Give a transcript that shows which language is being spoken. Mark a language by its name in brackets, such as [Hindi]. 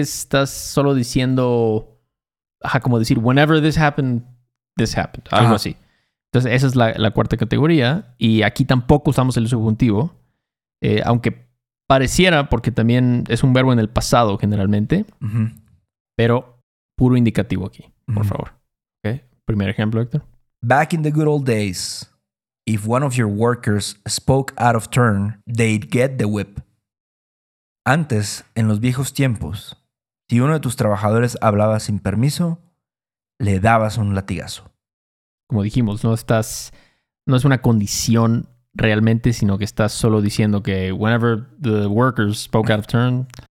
[Spanish] Estás solo diciendo... Ajá, como decir, [English] whenever this happened. [Spanish] Algo ajá. así. Entonces, esa es la cuarta categoría. Y aquí tampoco usamos el subjuntivo. Aunque... Pareciera, porque también es un verbo en el pasado generalmente, uh-huh. pero puro indicativo aquí, uh-huh. por favor. Okay. Primer ejemplo, Héctor. [English] Back in the good old days, if one of your workers spoke out of turn, they'd get the whip. [Spanish] Antes, en los viejos tiempos, si uno de tus trabajadores hablaba sin permiso, le dabas un latigazo. Como dijimos, no es una condición... realmente, sino que estás solo diciendo que [English] whenever the workers spoke out of turn...